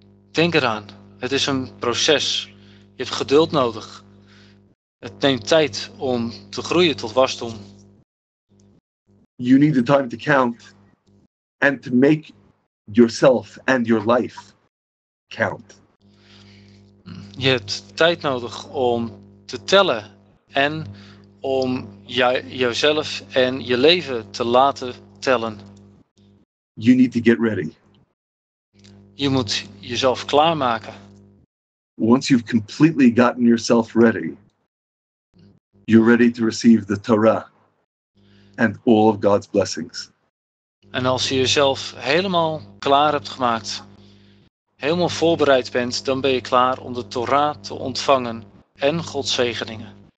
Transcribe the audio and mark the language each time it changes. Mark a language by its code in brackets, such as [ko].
[nl] Denk eraan. Het is een proces. Je hebt geduld nodig. Het neemt tijd om te groeien tot wasdom. [en] You need the time to count and to make yourself and your life count. [nl] Je hebt tijd nodig om te tellen en om jezelf en je leven te laten tellen. [en] You need to get ready. [nl] Je moet jezelf klaarmaken. [en] Once you've completely gotten yourself ready, you're ready to receive the Torah and all of God's blessings. [nl] En als je jezelf helemaal klaar hebt gemaakt, helemaal voorbereid bent, dan ben je klaar om de Torah te ontvangen en Gods zegeningen.